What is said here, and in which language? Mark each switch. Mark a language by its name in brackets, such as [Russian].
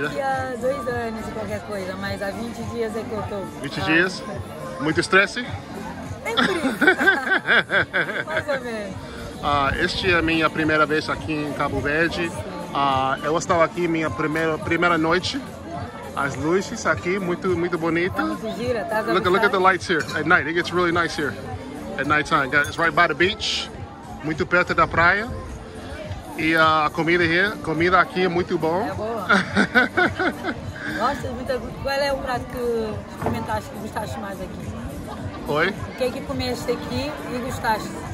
[Portuguese] né? Há 2 anos e qualquer coisa, mas há 20 dias é que eu tô. 20 dias? Muito estresse? Sempre. Mais ou menos. Este é a minha primeira vez aqui em Cabo Verde. Eu estava aqui minha primeira noite. As luzes aqui muito muito bonita. [English] Look at the lights here at night. It gets really nice here at night time. It's right by the beach, [Portuguese] muito perto da praia. E a comida aqui é muito bom. É boa. Nossa, qual é o prato que gostaste mais aqui? Oi. O que é que comeste aqui e gostaste?